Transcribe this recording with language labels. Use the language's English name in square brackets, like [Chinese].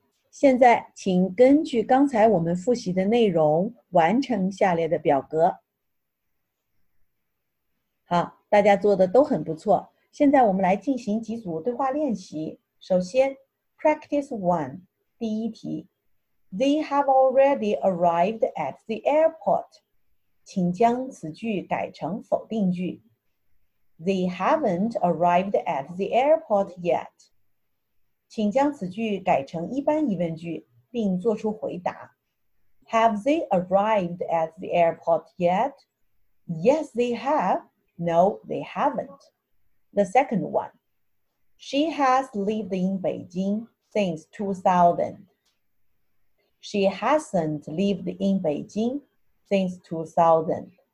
[Chinese] 现在请根据刚才我们复习的内容完成下列的表格。好，大家做的都很不错。现在我们来进行几组对话练习。首先 , [English] practice one, [Chinese] 第一题。 [English] They have already arrived at the airport. [Chinese] 请将此句改成否定句。 [English] They haven't arrived at the airport yet. [Chinese] 请将此句改成一般疑问句并做出回答。 [English] Have they arrived at the airport yet? Yes, they have. No, they haven't. The second one. She has lived in Beijing since 2000. She hasn't lived in Beijing since 2000.